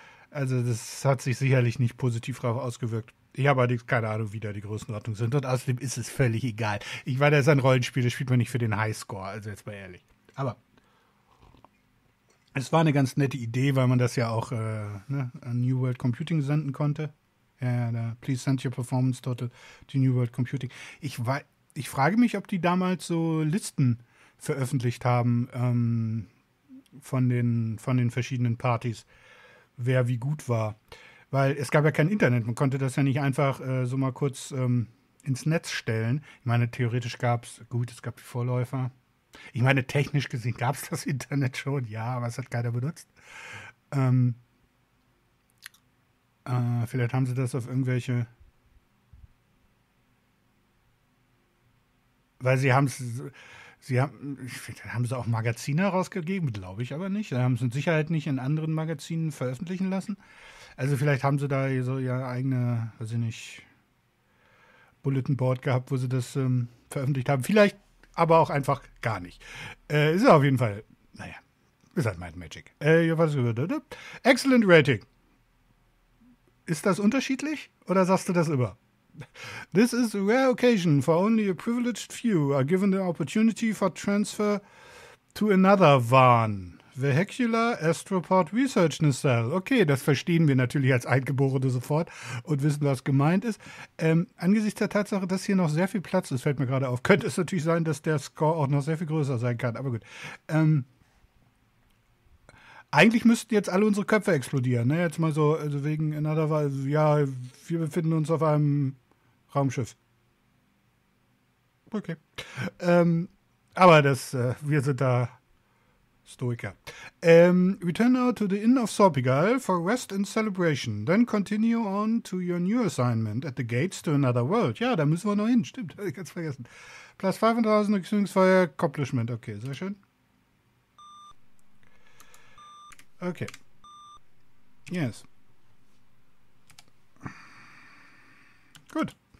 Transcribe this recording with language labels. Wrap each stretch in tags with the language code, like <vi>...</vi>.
<de>Also das hat sich sicherlich nicht positiv darauf ausgewirkt. Ich habe allerdings keine Ahnung, wie da die Größenordnungen sind. Und außerdem ist es völlig egal. Ich meine, das ist ein Rollenspiel, das spielt man nicht für den Highscore. Also jetzt mal ehrlich. Aber es war eine ganz nette Idee, weil man das ja auch an New World Computing senden konnte. Ja, da.</de> <en>Please send your performance total to New World Computing.</en> <de>Ich frage mich, ob die damals so Listen veröffentlicht haben von den verschiedenen Partys, wer wie gut war. Weil es gab ja kein Internet, man konnte das ja nicht einfach so mal kurz ins Netz stellen. Ich meine, theoretisch gab es, gut, es gab die Vorläufer. Ich meine, technisch gesehen gab es das Internet schon, ja, aber es hat keiner benutzt. Vielleicht haben sie das auf irgendwelche, weil haben sie auch Magazine herausgegeben, glaube ich aber nicht. Sie haben es mit Sicherheit nicht in anderen Magazinen veröffentlichen lassen. Also vielleicht haben sie da so ihr eigene, weiß ich nicht, Bulletin Board gehabt, wo sie das veröffentlicht haben. Vielleicht aber auch einfach gar nicht. Ist auf jeden Fall, naja, ist halt Might & Magic. Excellent Rating. Ist das unterschiedlich oder sagst du das immer?</de> <en>This is a rare occasion for only a privileged few are given the opportunity for transfer to another VAN. Vehicular Astroport Research Nacelle.</en> <de>Okay, das verstehen wir natürlich als Eingeborene sofort und wissen, was gemeint ist. Angesichts der Tatsache, dass hier noch sehr viel Platz ist, fällt mir gerade auf. Könnte es natürlich sein, dass der Score auch noch sehr viel größer sein kann, aber gut. Eigentlich müssten jetzt alle unsere Köpfe explodieren, ne? Jetzt mal so, also wegen another war, ja, wir befinden uns auf einem Raumschiff. Okay. Aber das, wir sind da Stoiker.</de> <en>We turn now to the Inn of Sorpegal for rest and celebration. Then continue on to your new assignment at the gates to another world.</en> <de>Ja, da müssen wir noch hin, stimmt, hab ich ganz vergessen. Plus 5000 Erklärungsfeuer Accomplishment. Okay, sehr schön.</de> <en>Okay. Yes.</en> <de>Gut.</de>